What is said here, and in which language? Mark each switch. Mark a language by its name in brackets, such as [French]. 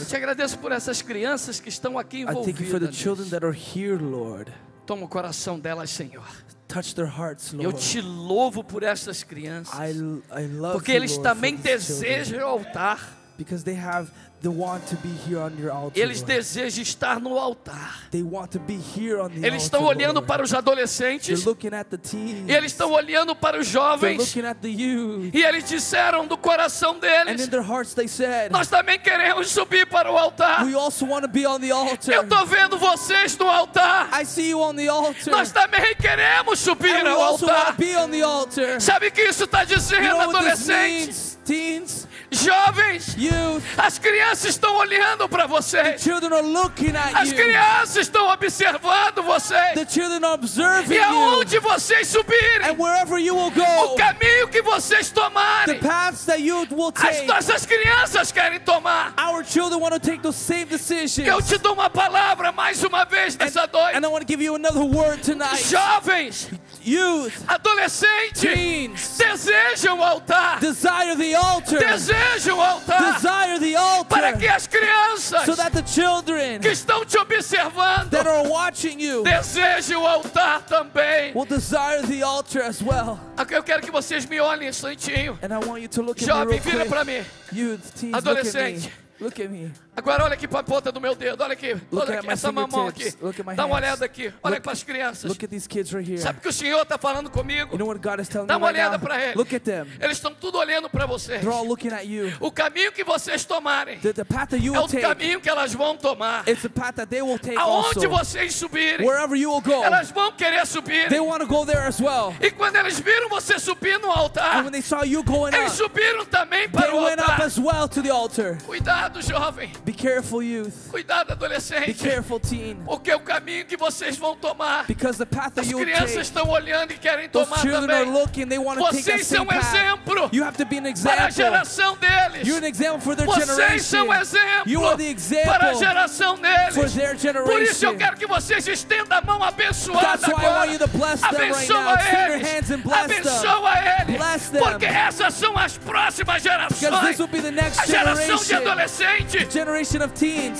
[Portuguese] Eu te agradeço por essas crianças que estão aqui envolvidas. [English] I thank you for the children that are here, Lord. [Portuguese] Toma o coração delas, Senhor. [English] Touch their hearts, Lord. [Portuguese] Eu te louvo por essas crianças. [English] I love [Portuguese] porque eles também desejam o altar. [English] Because they have the want to be here on your altar. [Portuguese] Eles desejam estar no altar. [English] They want to be here on the altar. [Portuguese] Eles estão olhando para os adolescentes. [English] They're looking at the teens. [Portuguese] E eles estão olhando para os jovens. [English] They're looking at the youth. [Portuguese] E eles disseram do coração deles. [English] And in their hearts they said, [Portuguese] nós também queremos subir para o altar. [English] We also want to be on the altar. [Portuguese] Eu estou vendo vocês no altar. [English] I see you on the altar. [Portuguese] Nós também queremos subir ao altar. [English] Be on the altar. [Portuguese] Sabe o que isso está dizendo, [English] you know, [Portuguese] adolescentes? [English] Teens, [Portuguese] jovens, [English] youth, [Portuguese] as crianças estão olhando para vocês. [English] The children are looking at you. [Portuguese] As crianças estão observando vocês. [English] The children are observing you. [Portuguese] E aonde vocês subirem? [English] And wherever you will go. [Portuguese] O caminho que vocês tomarem. [English] The paths that you will take. [Portuguese] As nossas crianças querem tomar. [English] Our children want to take the same decisions. [Portuguese] Eu te dou uma palavra mais uma vez nessa noite. [English] And I want to give you another word tonight. [Portuguese] Jovens. [English] Youth, [Portuguese] adolescentes, desejam o altar. [English] Desire the altar. [Portuguese] Desejam o altar. [English] Desire the altar. [Portuguese] Para que as crianças, [English] so that the children, [Portuguese] que estão te observando, [English] that are watching you, [Portuguese] desejem o altar também. [English] Will desire the altar as well. [Portuguese] Eu quero que vocês me olhem um instantinho. [English] And I want you to look at [Portuguese] jovem, Jovem, vira para mim. [English] Youth, teens, [Portuguese] adolescente. [English] Look at me. [Portuguese] Agora olha aqui para a ponta do meu dedo. Olha aqui. Olha aqui. Essa mamão aqui. [English] Look at my hands. [Portuguese] Dá uma olhada aqui. Olha para as crianças. [English] Look at these kids right here. [Portuguese] Sabe o que o Senhor está falando comigo? [English] You know what God is telling me. [Portuguese] Dá uma olhada para eles. [English] Look at them. [Portuguese] Eles estão tudo olhando para vocês. [English] They're all looking at you. [Portuguese] O caminho que vocês tomarem. [English] The path that you will take. [Portuguese] É o caminho que elas vão tomar. [English] It's the path that they will take. [Portuguese] Aonde vocês subirem. [English] Wherever you will go. [Portuguese] Elas vão querer subir. [English] They want to go there as well. [Portuguese] E quando elas viram você subir no altar. [English] And when they saw you going up. [Portuguese] Eles subiram também para o altar. [English] They went up as well to the altar. [Portuguese] Cuidado, jovem. [English] Be careful, youth. [Portuguese] Cuidado, adolescente. [English] Be careful, teen. [Portuguese] Porque o caminho que vocês vão tomar. [English] Because the path that you take. [Portuguese] As crianças estão olhando e querem tomar também. [English] Those children are looking. They want to [Portuguese] vocês [English] take the same [Portuguese] são [English] path. [Portuguese] Exemplo. [English] You have to be an example. [Portuguese] Para a geração deles. [English] You're an example for their [Portuguese] vocês [English] generation. [Portuguese] Vocês são exemplo. [English] You are the example. [Portuguese] Para a geração deles. [English] For their generation. [Portuguese] Por isso eu quero que vocês estendam a mão abençoada. [English] That's why [Portuguese] agora. [English] I want you to bless them [Portuguese] abençoa [English] right now. [Portuguese] Eles. [English] Extend your hands and bless [Portuguese] abençoa [English] them. [Portuguese] Eles. [English] Bless them. [Portuguese] Porque essas são as próximas gerações. [English] Because this will be the next [Portuguese] a geração [English] generation. [Portuguese] De adolescentes. [English] The generation of teens.